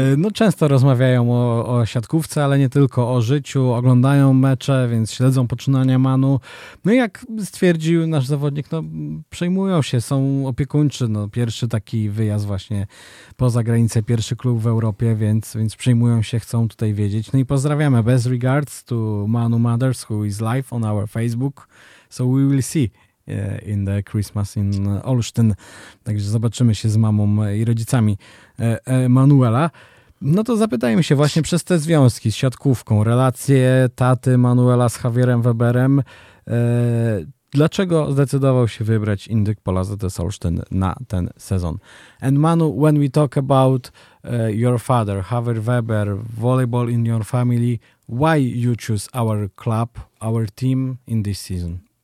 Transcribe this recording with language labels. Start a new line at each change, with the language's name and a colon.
Polish: No często rozmawiają o siatkówce, ale nie tylko, o życiu, oglądają mecze, więc śledzą poczynania Manu. No i jak stwierdził nasz zawodnik, no przejmują się, są opiekuńczy. No pierwszy taki wyjazd właśnie poza granicę, pierwszy klub w Europie, więc przejmują się, chcą tutaj wiedzieć. No i pozdrawiamy.
English: Best regards to Manu Mothers, who is live on our Facebook. So we will see. In the Christmas in Olsztyn.
Polish: Także zobaczymy się z mamą i rodzicami Manuela. No to zapytajmy się właśnie przez te związki z siatkówką, relacje taty Manuela z Javierem Weberem. Dlaczego zdecydował się wybrać Indyk Pola ZS Olsztyn na ten sezon?
English: And Manu, when we talk about your father, Javier Weber, volleyball in your family, why you choose our club, our team in this season?